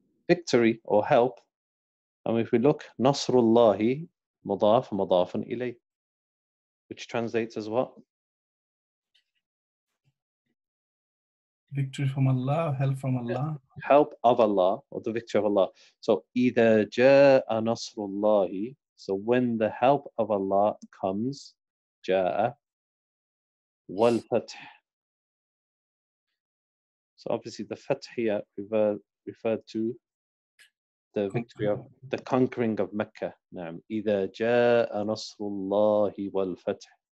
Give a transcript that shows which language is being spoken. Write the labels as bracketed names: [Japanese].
[English] Victory or help. And if we look, [Arabic] nasrullahi mudaf mudafan ilay, [English] which translates as what? Victory from Allah, help from Allah. Yeah. Help of Allah, or the victory of Allah. [Arabic] So, إِذَا جَاءَ نَصْرُ اللَّهِ. [English] So, when the help of Allah comes, [Arabic] جَاءَ وَالْفَتْحِ. [English] So, obviously, the فَتْحِيَ referred to the victory of, the conquering of Mecca. [Arabic] نعم. إِذَا جَاءَ نَصْرُ اللَّهِ وَالْفَتْحِ.